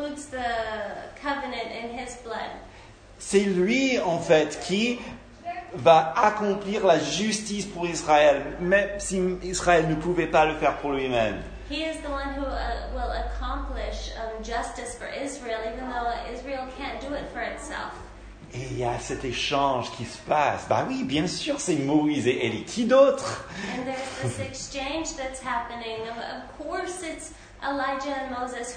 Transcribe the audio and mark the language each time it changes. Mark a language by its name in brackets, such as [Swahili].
[English] the covenant in his blood. [French] C'est lui en fait qui va accomplir la justice pour Israël, même si Israël ne pouvait pas le faire pour lui-même. [English] He is the one who will accomplish justice for Israel, even though Israel can't do it for itself. [French] Et il y a cet échange qui se passe. Bah oui, bien sûr, c'est Moïse et Élie. Qui d'autre? [English] And there's this exchange that's happening. Of course, it's Elijah and Moses.